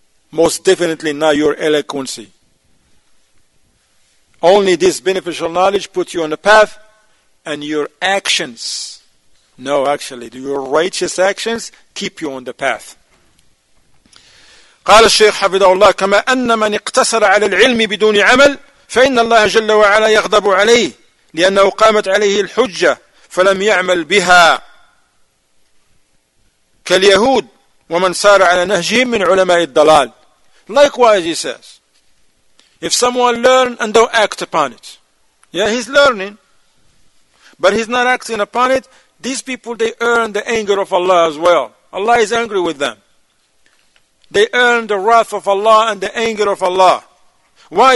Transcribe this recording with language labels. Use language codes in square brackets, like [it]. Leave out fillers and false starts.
[en] Most definitely not your eloquency. Only this beneficial knowledge puts you on the path. And your actions, no, actually, your righteous actions keep you on the path. [ar] قال الشيخ حفظه الله: كما أن من اقتصر على العلم بدون عمل فإن الله جل وعلا يغضب عليه لأنه قامت عليه الحجة فلم يعمل بها، كاليهود ومن سار على نهجهم من علماء الضلال. [en] Likewise, he says, if someone learn and don't act upon it, yeah, he's learning, but he's not acting upon it, these people, they earn the anger of Allah as well. Allah is angry with them. They earn the wrath of Allah and the anger of Allah. Why?